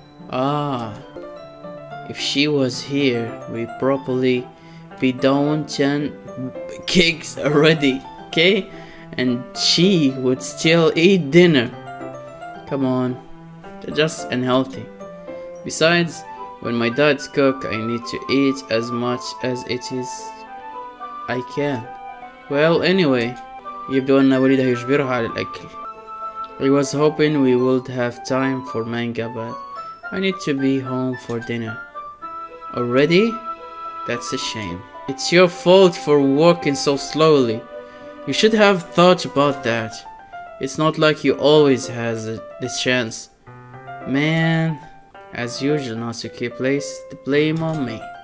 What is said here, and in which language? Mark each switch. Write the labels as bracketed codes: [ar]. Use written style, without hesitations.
[en] Ah, if she was here, we'd probably be down 10 cakes already, okay? And she would still eat dinner. Come on, they're just unhealthy. Besides, when my dad's cook, I need to eat as much as it is I can. Well, anyway, [ar] يبدو أن والدها يجبرها على الأكل. [en] I was hoping we would have time for manga, but I need to be home for dinner. Already? That's a shame. It's your fault for working so slowly. You should have thought about that. It's not like you always has the chance. Man, as usual, Natsuki placed the blame on me.